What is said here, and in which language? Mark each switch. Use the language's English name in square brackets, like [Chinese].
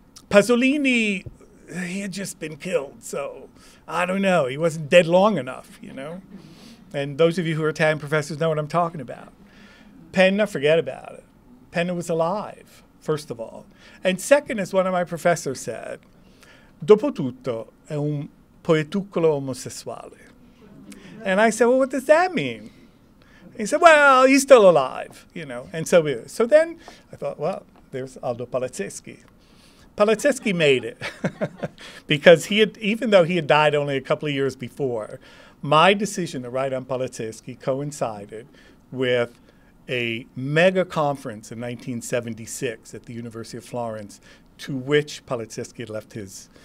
[English] Pasolini, he had just been killed. So I don't know. He wasn't dead long enough, you know? And those of you who are Italian professors know what I'm talking about. Penna, forget about it. Penna was alive, first of all. And second, as one of my professors said, [Italian] dopotutto è un poetuccolo omosessuale. [English] And I said, well, what does that mean? He said, well, he's still alive, you know, and so is. So then I thought, well, there's Aldo Palazzeschi. Palazzeschi made it because even though he had died only a couple of years before, my decision to write on Palazzeschi coincided with a mega conference in 1976 at the University of Florence to which Palazzeschi had left his.